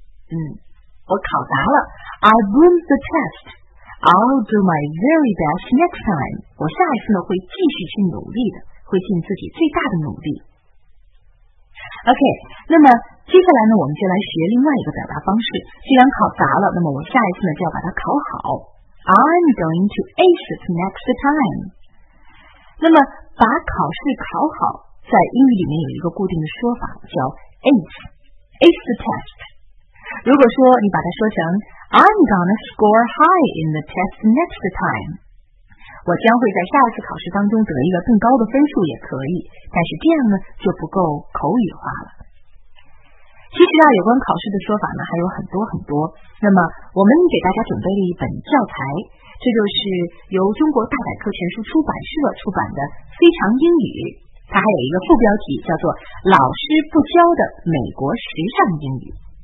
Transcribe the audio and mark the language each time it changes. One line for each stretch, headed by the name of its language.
Chinese: 我考砸了，
English: I boomed the test， I'll do my very best next time，
Chinese: 我下一次呢会继续去努力的，会尽自己最大的努力。 OK， 那么接下来呢，我们就来学另外一个表达方式。既然考砸了，那么我下一次呢就要把它考好。
English: I'm going to ace it next time。
Chinese: 那么把考试考好，在英语里面有一个固定的说法，叫 ace the test。如果说你把它说成
English: I'm gonna score high in the test next time。
Chinese: 我将会在下一次考试当中得一个更高的分数也可以，但是这样呢就不够口语化了。其实啊，有关考试的说法呢还有很多很多。那么我们给大家准备了一本教材，这就是由中国大百科全书出版社出版的《非常英语》，它还有一个副标题叫做《老师不教的美国时尚英语》。